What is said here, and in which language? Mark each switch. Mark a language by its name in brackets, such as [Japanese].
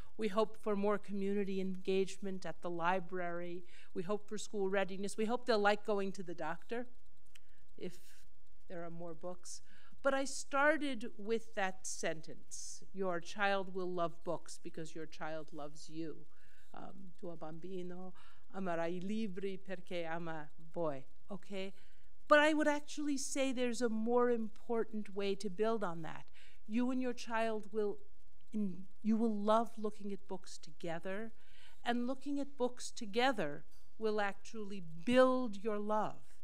[English] We hope for more community engagement at the library. We hope for school readiness. We hope they'll like going to the doctor if there are more books. But I started with that sentence, your child will love books because your child loves you. [Italian] Tuo bambino amerà i libri perché ama voi, okay? [English] But I would actually say there's a more important way to build on that. You and your child will, you will love looking at books together, and looking at books together will actually build your love.